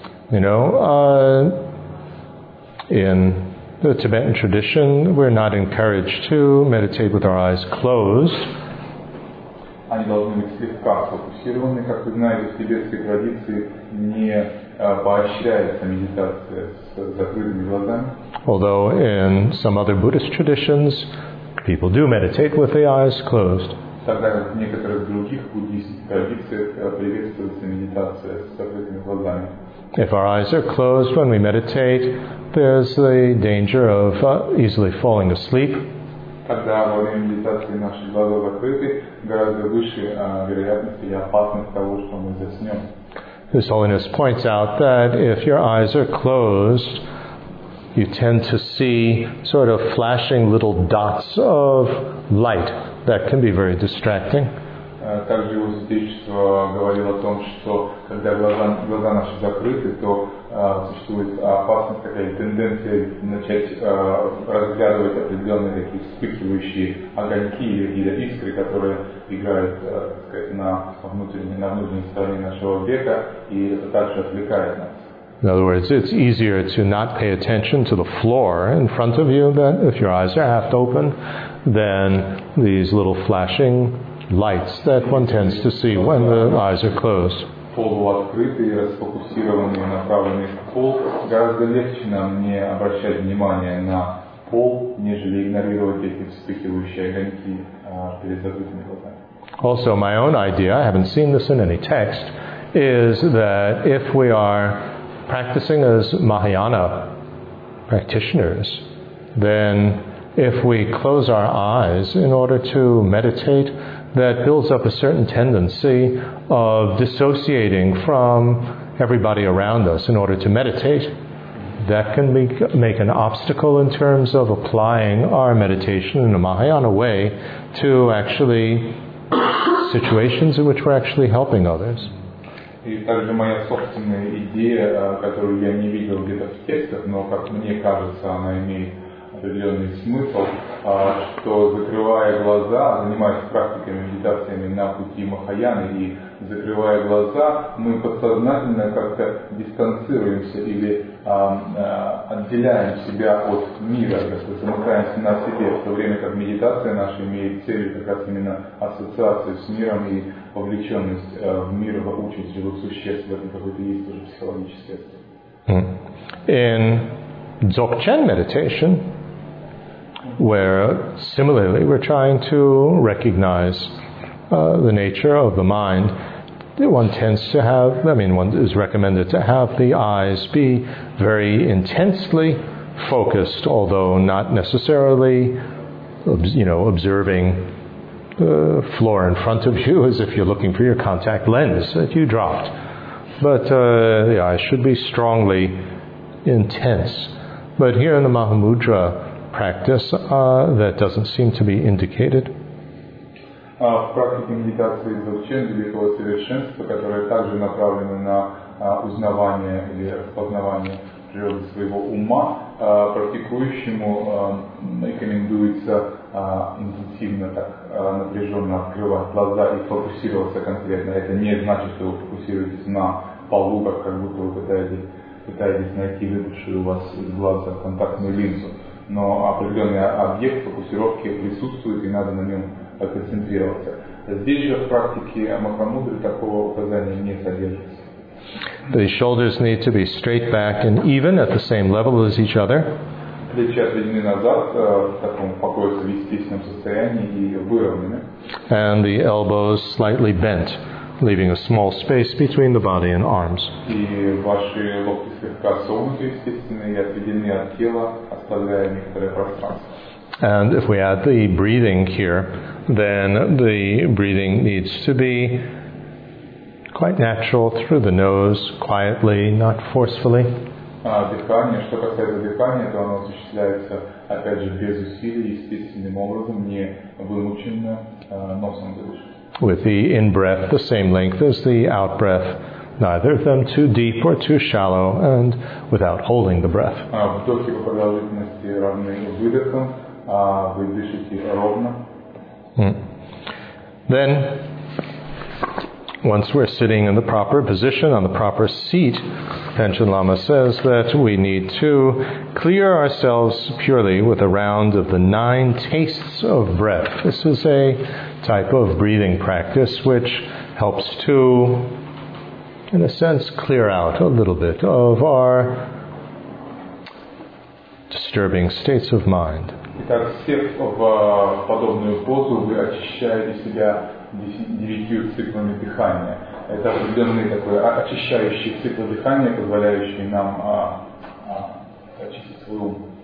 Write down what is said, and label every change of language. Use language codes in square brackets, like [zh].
[en] You know, in the Tibetan tradition, we're not encouraged to meditate with our eyes closed. [ru] Они должны быть слегка сфокусированы, как вы знаете, в тибетской традиции не поощряется медитация с закрытыми глазами. [en] Although in some other Buddhist traditions, people do meditate with the eyes closed. [ru] Тогда как в некоторых других буддийских традициях приветствуется медитация с закрытыми глазами. [en] If our eyes are closed when we meditate, there's the danger of easily falling asleep. [ru] Когда во время медитации наши глаза закрыты, гораздо выше вероятность или опасность того, что мы заснем. [en] His Holiness points out that if your eyes are closed, you tend to see sort of flashing little dots of light that can be very distracting. [ru] Также его святейшество говорил о том, что когда глаза наши закрыты, то существует опасность, такая тенденция начать разглядывать определенные такие вспыхивающие огоньки или искры, которые играют на внутренней стороне нашего века, и это также отвлекает нас. [en] In other words, it's easier to not pay attention to the floor in front of you than if your eyes are half open than these little flashing lights that one tends to see when the eyes are closed. [ru] Полуоткрытые, расфокусированные, направленные в пол, гораздо легче нам не обращать внимания на пол, нежели игнорировать эти вспыхивающие огоньки перед закрытыми глазами. [en] Also, my own idea, I haven't seen this in any text, is that if we are practicing as Mahayana practitioners, then if we close our eyes in order to meditate, that builds up a certain tendency of dissociating from everybody around us in order to meditate. That can make an obstacle in terms of applying our meditation in a Mahayana way to actually situations in which we're actually helping others. [ru] И также моя собственная идея, которую я не видел где-то в текстах, но как мне кажется, она имеет определенный смысл, что закрывая глаза, занимаясь практиками, медитациями на пути Махаяны, и закрывая глаза, мы подсознательно как-то дистанцируемся или отделяем себя от мира, как бы замыкаемся на себе, в то время как медитация наша имеет целью как раз именно ассоциацию с миром и вовлеченность в мир, в участь живых существ. В этом какой-то есть тоже психологический аспект. [en] In Dzogchen meditation, where similarly we're trying to recognize the nature of the mind, one tends to have, I mean, one is recommended to have the eyes be very intensely focused, although not necessarily, you know, observing the floor in front of you as if you're looking for your contact lens that you dropped. But the eyes should be strongly intense. But here in the Mahamudra practice, that doesn't seem to be indicated. [ru] В практике медитации Дзогчен великого совершенства, которая также направлена на узнавание или распознавание природы своего ума, практикующему рекомендуется интенсивно так напряженно открывать глаза и фокусироваться конкретно. Это не значит, что вы фокусируетесь на полу, как будто вы пытаетесь найти выпавшую у вас из глаза контактную линзу. Но определенный объект фокусировки присутствует, и надо на нем концентрироваться. Здесь же в практике Махамудры такого указания не содержится. [en] The shoulders need to be straight back and even at the same level as each other. [ru] Плечи отведены назад, в таком покоясь в естественном состоянии и выровнены. [en] And the elbows slightly bent, leaving a small space between the body and arms. [ru] И ваши локти слегка согнуты естественно и отведены от тела, оставляя некоторое пространство. [en] And if we add the breathing here, then the breathing needs to be quite natural through the nose, quietly, not forcefully. [ru] Дыхание, что касается дыхания, то оно осуществляется, опять же, без усилий, естественным образом, не вымученно, носом дышит. [en] With the in-breath the same length as the out-breath, neither of them too deep or too shallow, and without holding the breath. [ru] Вдохи по продолжительности равны выдохам, а вы дышите ровно. [en] Then, once we're sitting in the proper position, on the proper seat, Panchen Lama says that we need to clear ourselves purely with a round of the 9 tastes of breath. This is a type of breathing practice which helps to, in a sense, clear out a little bit of our disturbing states of mind. [ru] Итак, сев в подобную позу, вы очищаете себя 9 циклами дыхания. Это определенный такой очищающий цикл дыхания, позволяющий нам очистить свой ум.